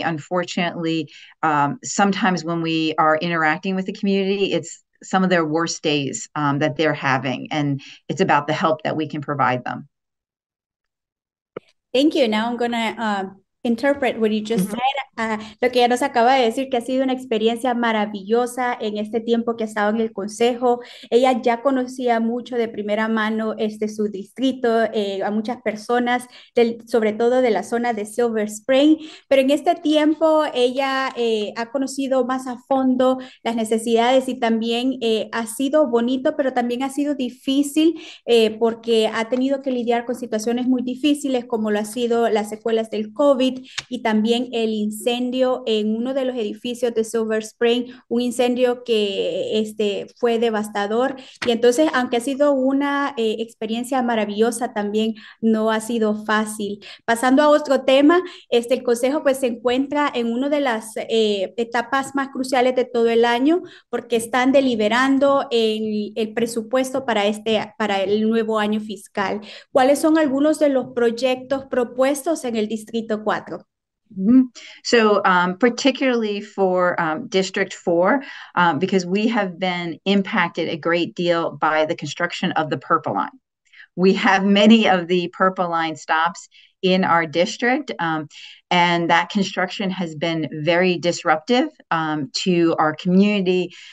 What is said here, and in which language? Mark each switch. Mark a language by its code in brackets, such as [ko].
[en] Unfortunately, sometimes when we are interacting with the community, it's some of their worst days that they're having, and it's about the help that we can provide them. Thank you. Now I'm going to interpret what you just said. [es] Lo que ya nos acaba de decir, que ha sido una experiencia maravillosa en este tiempo que ha estado en el Consejo. Ella ya conocía mucho de primera mano su distrito, a muchas personas, sobre todo de la zona de Silver Spring. Pero en este tiempo ella ha conocido más a fondo las necesidades y también ha sido bonito, pero también ha sido difícil porque ha tenido que lidiar con situaciones muy difíciles, como lo ha sido las secuelas del COVID y también el incendio en uno de los edificios de Silver Spring, un incendio que fue devastador. Y entonces, aunque ha sido una experiencia maravillosa, también no ha sido fácil. Pasando a otro tema, el Consejo pues se encuentra en una de las etapas más cruciales de todo el año porque están deliberando el presupuesto para para el nuevo año fiscal. ¿Cuáles son algunos de los proyectos propuestos en el Distrito 4? [en] So, particularly for District 4, because we have been impacted a great deal by the construction of the Purple Line. We have many of the Purple Line stops in our district. And that construction has been very disruptive to our community.